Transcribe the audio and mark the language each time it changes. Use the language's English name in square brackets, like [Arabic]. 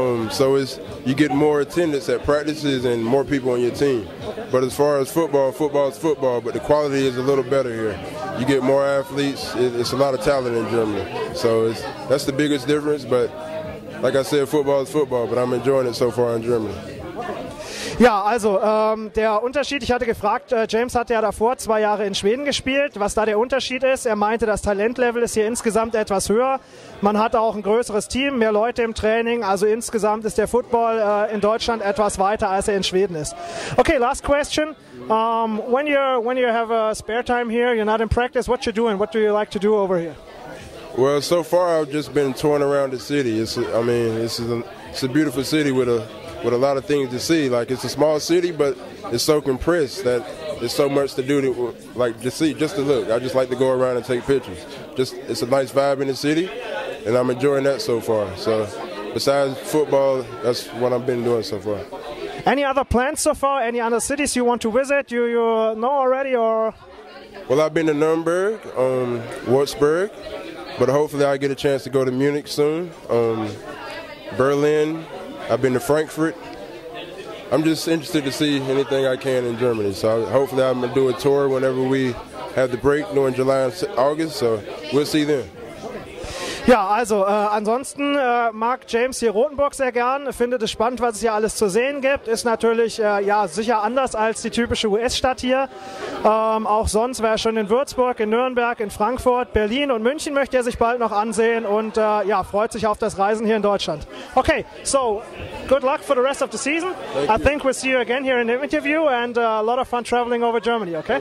[English] So you get more attendance at practices and more people on your team. Okay. But as far as football is football. But the quality is a little better here. You get more athletes. It's a lot of talent in Germany. So that's the biggest difference. But like I said, football is football. But I'm enjoying it so far in Germany. [German] Ja, also der Unterschied, ich hatte gefragt, James hatte ja davor 2 Jahre in Schweden gespielt, was da der Unterschied ist. Er meinte, das Talentlevel ist hier insgesamt etwas höher. Man hat auch ein größeres Team, mehr Leute im Training. Also insgesamt ist der Football in Deutschland etwas weiter, als er in Schweden ist. [English] Okay, last question. When you have a spare time here, you're not in practice, what you doing? What do you like to do over here? Well, so far I've just been touring around the city. It's a beautiful city with a lot of things to see. Like, it's a small city, but it's so compressed that there's so much to do, to look. I just like to go around and take pictures. It's a nice vibe in the city, and I'm enjoying that so far. So besides football, that's what I've been doing so far. Any other plans so far? Any other cities you want to visit? You know already, or? Well, I've been to Nuremberg, Wurzburg, but hopefully I get a chance to go to Munich soon, Berlin. I've been to Frankfurt. I'm just interested to see anything I can in Germany. So hopefully I'm going to do a tour whenever we have the break during July and August. So we'll see then. [German] Ja, also ansonsten mag James hier Rothenburg sehr gern, findet es spannend, was es hier alles zu sehen gibt. Ist natürlich ja sicher anders als die typische US-Stadt hier. Auch sonst wäre er schon in Würzburg, in Nürnberg, in Frankfurt, Berlin und München möchte er sich bald noch ansehen und ja freut sich auf das Reisen hier in Deutschland. [English] Okay, so good luck for the rest of the season. Thank you. I think we'll see you again here in the interview and a lot of fun traveling over Germany, okay?